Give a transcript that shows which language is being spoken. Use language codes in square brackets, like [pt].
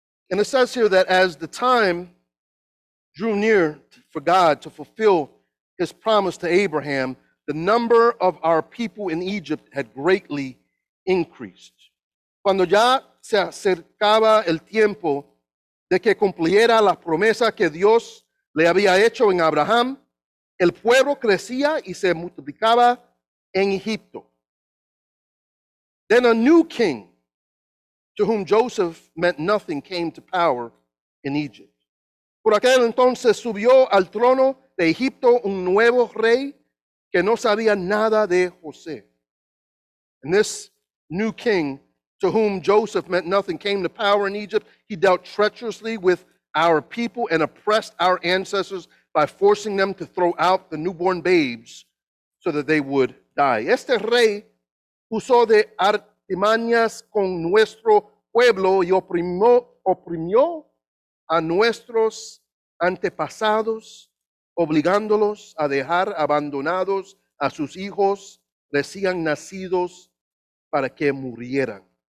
[en] And it says here that as the time drew near for God to fulfill his promise to Abraham, the number of our people in Egypt had greatly increased. [es] Cuando ya se acercaba el tiempo de que cumpliera la promesa que Dios le había hecho en Abraham, el pueblo crecía y se multiplicaba en Egipto. [en] Then a new king, to whom Joseph meant nothing, came to power in Egypt. [es] Por aquel entonces subió al trono de Egipto un nuevo rey que no sabía nada de José. [en] And this new king, to whom Joseph meant nothing, came to power in Egypt. He dealt treacherously with our people and oppressed our ancestors by forcing them to throw out the newborn babes so that they would die. [es] Este rey usó de artimañas con nuestro pueblo y oprimió a nuestros antepasados, obligándolos a dejar abandonados a sus hijos recién nacidos para que murieran.